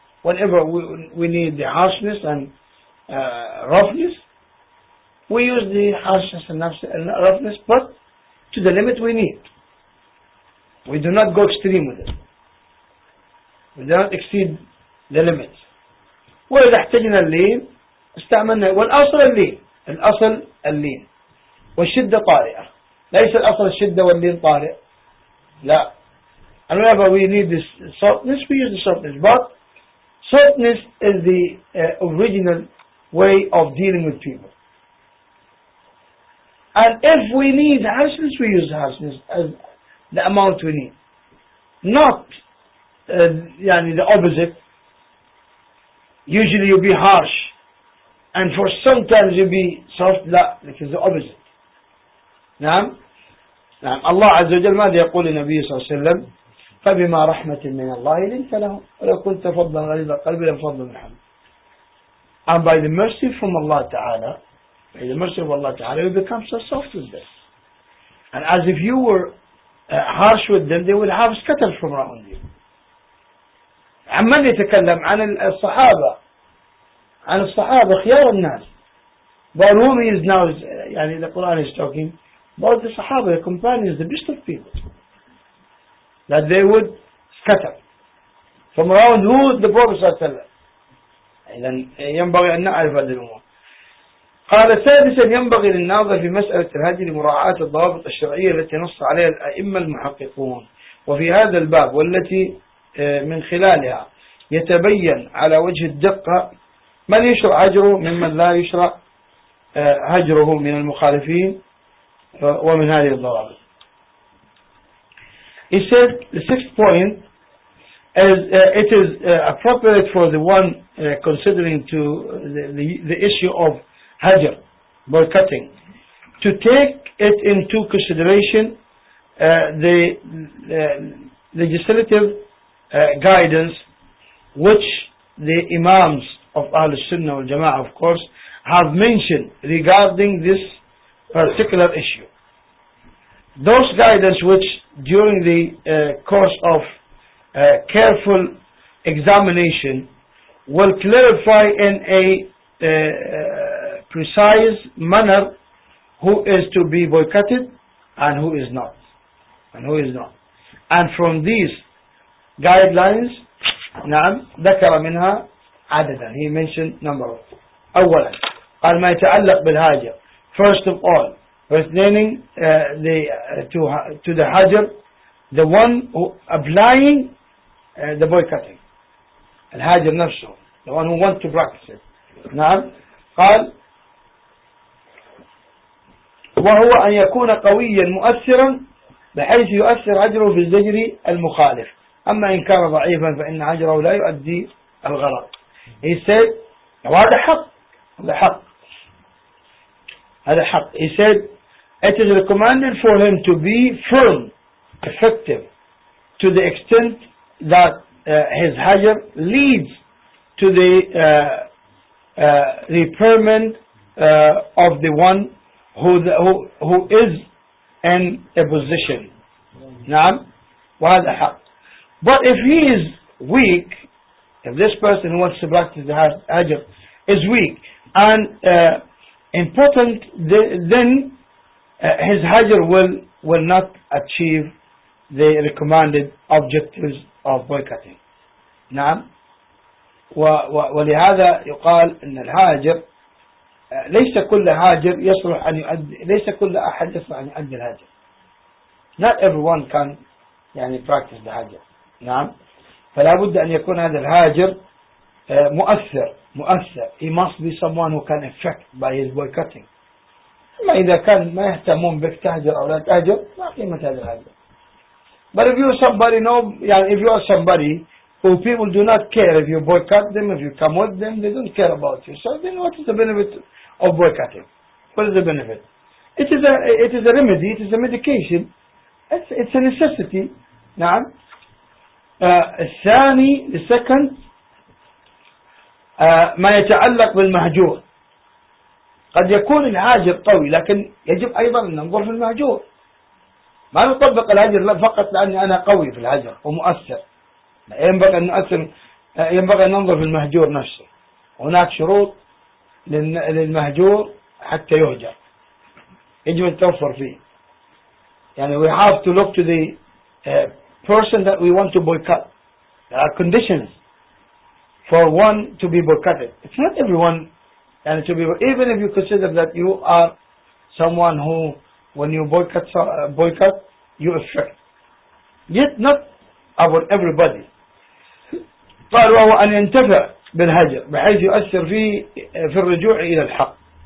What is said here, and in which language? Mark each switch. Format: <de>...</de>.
<en>Whenever we need the harshness and roughness, we use the harshness and roughness, but to the limit we need. We do not go extreme with it. We do not exceed the limits.</en> <ar>وإذا احتجنا اللين استعملنا والأصل اللين. الأصل اللين والشدة طارئة. ليس الأصل الشدة واللين طارئ. لا.</ar> <en>And whenever we need this softness, we use the softness. But softness is the original way of dealing with people. And if we need harshness, we use harshness as the amount we need. Not يعني the opposite. Usually you be harsh and for sometimes you be soft.</en> <ar>لا,</ar> <en>like the opposite.</en> <ar>نعم نعم. الله عز وجل ماذا يقول النبي صلى الله عليه وسلم؟ فبما رحمة من الله لنت له ولو كنت فضلا غليظ قلبي لانفضوا من حولك.</ar> <en>And by the mercy from Allah Ta'ala, by the mercy of Allah Ta'ala, you become so soft with them. And as if you were harsh with them, they would have scattered from around you.</en> <ar>عمن يتكلم عن الصحابة؟ عن الصحابة خيار الناس.</ar> <en>But whom he is now, يعني the Quran is talking about the صحابة, the companions, the best of people. That they would scatter. From around who? The Prophet</en> <ar>صلى الله عليه وسلم. إذن ينبغي أن نعرف هذه الأمور. قال ثالثا ينبغي للناظر في مسألة الهدي لمراعاة الضوابط الشرعية التي نص عليها الأئمة المحققون. وفي هذا الباب والتي من خلالها يتبين على وجه الدقة من يشرع هجره ممن لا يشرع هجره من المخالفين ومن هذه الضوابط.</ar> <en>He said the sixth point is it is appropriate for the one considering to the issue of hajr, boycotting, to take it into consideration the legislative guidance which the Imams of Ahl-Sunnah wal-Jama'ah of course have mentioned regarding this particular issue. Those guidance which during the course of careful examination will clarify in a precise manner who is to be boycotted and who is not and who is not. And from these guidelines,</en> <ar>نعم ذكر منها عددا.</ar> <en>He mentioned number of.</en> <ar>أولا قال ما يتعلق بالهاجر.</ar> <en>First of all, pertaining to the hajr, the one who applying the boycotting.</en> <ar>الهاجر نفسه,</ar> <en>the one who want to practice it.</en> <ar>نعم قال وهو أن يكون قويا مؤثرا بحيث يؤثر هجره في الزجر المخالف. أما إن كان ضعيفا فإن هجره لا يؤدي الغرض.</ar> <en>He said</en> <ar>هذا حق, هذا حق, هذا حق. He said</ar> <en>It is recommended for him to be firm, effective, to the extent that his hajr leads to the repairment of the one who is in a position.</en> <ar>نعم وهذا حق.</ar> <en>But if he is weak, if this person who wants to practice the hajr is weak and important, then his hajr will not achieve the recommended objectives of boycotting.</en> <ar>نعم ولهذا يقال ان الهاجر ليس كل هاجر يصلح ان يؤدي, ليس كل احد يصلح ان يؤدي الهاجر.</ar> <en>Not everyone can يعني practice the hajr.</en> <ar>نعم فلا بد ان يكون هذا الهاجر مؤثر.</ar> <en>He must be someone who can affect by his boycotting.</en> <ar>اما اذا كان ما يهتمون بك تهجر او لا تهجر ما قيمه هذا الهاجر.</ar> <en>But if you are somebody, no, yeah, if you are somebody who people do not care if you boycott them, if you come with them, they don't care about you. So then what is the benefit of boycotting? What is the benefit? It is a remedy, it is a medication. It's a necessity.</en> <ar>نعم. الثاني,</ar> <en>the second,</en> <ar>ما يتعلق بالمهجور. قد يكون الهاجر قوي لكن يجب أيضا أن ننظر في المهجور. ما نطبق الهجر فقط لأني أنا قوي في الهجر ومؤثر. ينبغي أن ننظر في المهجور نفسه. هناك شروط للمهجور حتى يهجر. يجب أن توفر فيه.</ar> <en>يعني we have to look to the person that we want to boycott. There are conditions for one to be boycotted. It's not everyone. And to be, even if you consider that you are someone who when you boycott, you affect. Yet not about everybody.</en> <ar>قال وهو أن ينتفع بالهجر بحيث يؤثر في الرجوع إلى الحق.</ar>